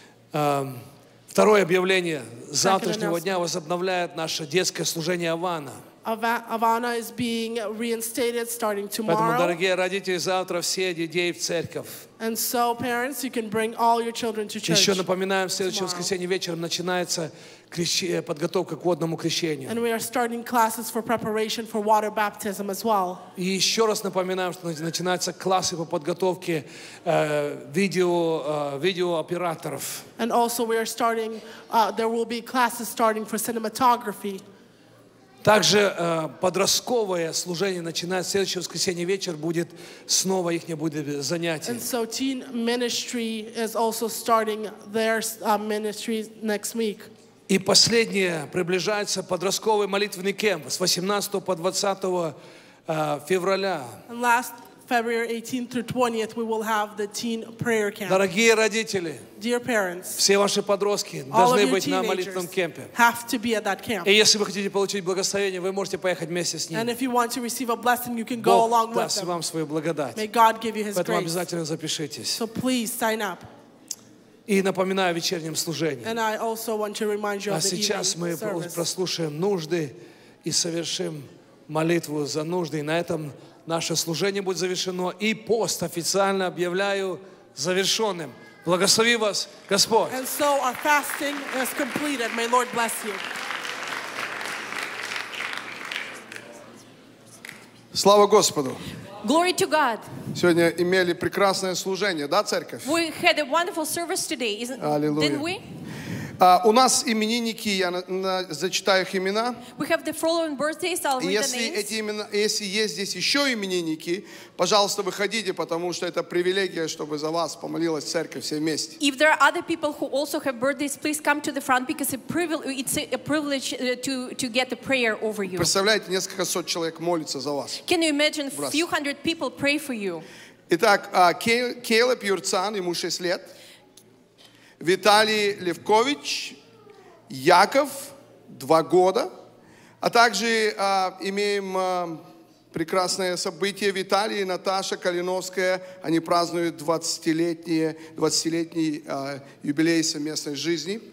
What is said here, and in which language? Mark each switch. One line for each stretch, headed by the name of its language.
Russian: Второе объявление. С завтрашнего дня возобновляет наше детское служение Авана.
English: Авана is being reinstated starting tomorrow.
Russian: Поэтому, дорогие родители, завтра все детей в церковь.
English: And so, parents, you can bring all your children to church.
Russian: Еще напоминаем, в следующее воскресенье вечером начинается подготовка к водному крещению.
English: And we are starting classes for preparation for water baptism as well.
Russian: И еще раз напоминаем, что начинаются классы по подготовке видеооператоров.
English: And also, we are starting, there will be classes starting for cinematography.
Russian: Также подростковое служение начинает в следующее воскресенье вечер, будет снова их будет занятие.
English: And so teen ministry is also starting their ministry next week.
Russian: И последнее, приближается подростковый молитвенный кемп с 18 по 20 февраля.
English: And last February 18th through 20th we will have the teen prayer camp.
Russian: Дорогие родители,
English: dear parents,
Russian: все ваши подростки должны быть на молитвенном кемпе.
English: Have to be at that camp.
Russian: И если вы хотите получить благословение, вы можете поехать вместе с ними.
English: And if you want to receive a blessing, you can go along with them.
Russian: Бог даст вам свою благодать.
English: May God give you His grace.
Russian: Поэтому обязательно запишитесь.
English: So please sign up.
Russian: И напоминаю о вечернем служении.
English: And I also want to remind you of the evening service.
Russian: А сейчас мы прослушаем нужды и совершим молитву за нужды. И на этом наше служение будет завершено, и пост официально объявляю завершенным. Благослови вас, Господь.
English: And so our fasting is completed. May Lord bless you.
Russian: Слава Господу.
English: Glory to God.
Russian: Сегодня имели прекрасное служение, да, церковь?
English: We had a wonderful service today, isn't it? Hallelujah. Didn't we?
Russian: У нас именинники, я зачитаю их имена.
English: We have the following birthdays, I'll read
Russian: если
English: the names.
Russian: Эти имена, если есть здесь еще именинники, пожалуйста, выходите, потому что это привилегия, чтобы за вас помолилась церковь все вместе.
English: If there are other people who also have birthdays, please come to the front, because it's a privilege to get the prayer over you.
Russian: Представляете, несколько сот человек молятся за вас.
English: Can you imagine a few hundred people pray for you?
Russian: Итак, Кейлеб Юрцан, ему 6 лет. Виталий Левкович, Яков, 2 года. А также имеем прекрасное событие. Виталий и Наташа Калиновская, они празднуют 20-летний юбилей совместной жизни.